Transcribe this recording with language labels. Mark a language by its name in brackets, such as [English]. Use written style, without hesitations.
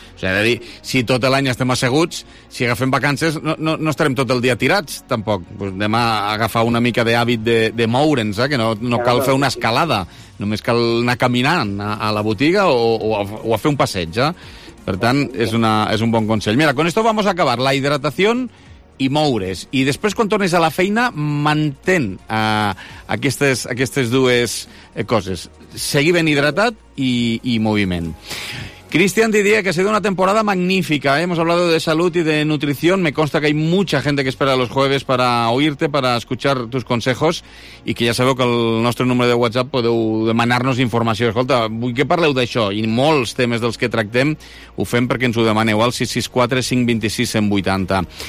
[Spanish] O sea, [Catalan] de dir, si tot l'any estem asseguts, si agafem vacances, no estarem tot el dia tirats, tampoc. Pues anem a agafar una mica d'hàbit de moure'ns, que no cal fer una escalada, només cal anar caminant a la botiga o a fer un passeig. Per tant, és un bon consell. [Spanish] Mira, con esto vamos a acabar la hidratación... [Catalan] i moure's. I després, quan tornes a la feina, mantén aquestes dues coses. Seguir ben hidratat i moviment. [Spanish] Christian Didier, que ha sido una temporada magnífica, ¿eh? Hemos hablado de salud y de nutrición. Me consta que hay mucha gente que espera los jueves para oírte, para escuchar tus consejos, y que ya [Catalan] sabeu que el nostre número de WhatsApp podeu demanar-nos informació. Escolta, vull que parleu d'això, i molts temes dels que tractem ho fem perquè ens ho demaneu al 664-526-180.